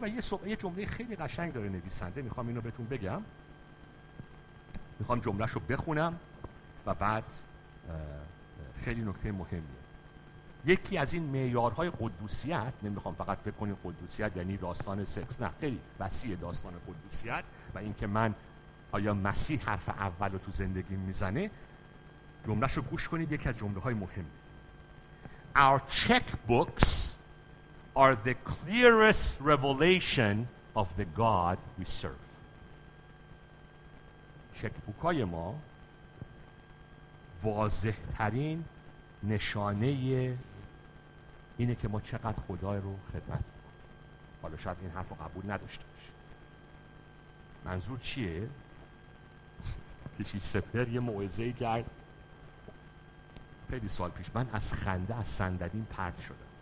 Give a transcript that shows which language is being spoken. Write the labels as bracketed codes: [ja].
[fa] و یه جمله خیلی قشنگ داره نویسنده، می خوام اینو بهتون بگم، میخوام جمله‌شو بخونم و بعد خیلی نکته مهمیه. یکی از این معیارهای قدوسیت، نمیخوام فقط فکر کنید قدوسیت یعنی داستان سکس، نه، خیلی وسیع داستان قدوسیت و اینکه من آیا مسیح حرف اولو تو زندگی میزنه، جمله‌شو گوش کنید، یکی از جمله‌های مهمه. [en] Our checkbooks are the clearest revelation of the God we serve. [fa] چکبوکای ما واضح ترین نشانه اینه که ما چقدر خدا رو خدمت میکنیم. حالا شاید این حرف رو قبول نداشته باشید. منظور چیه؟ کشی سپر یه موعظه‌ای کرد خیلی سال پیش، من از خنده از صندلیم پرت شدم.